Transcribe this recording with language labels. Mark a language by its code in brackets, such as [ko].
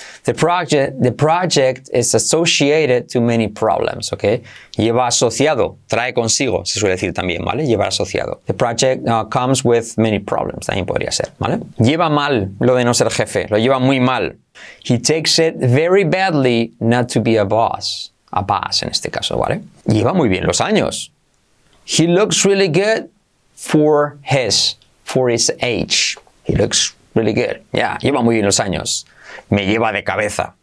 [en] The project is associated to many problems, okay? [es] Lleva asociado, trae consigo, se suele decir también, ¿vale? Lleva asociado. [en] The project comes with many problems, [es] también podría ser, ¿vale? Lleva mal lo de no ser jefe, lo lleva muy mal. [en] He takes it very badly not to be a boss. [es] A paz, en este caso, ¿vale? Lleva muy bien los años. [en] He looks really good for his age. He looks really good. Yeah, [es] lleva muy bien los años. Me lleva de cabeza.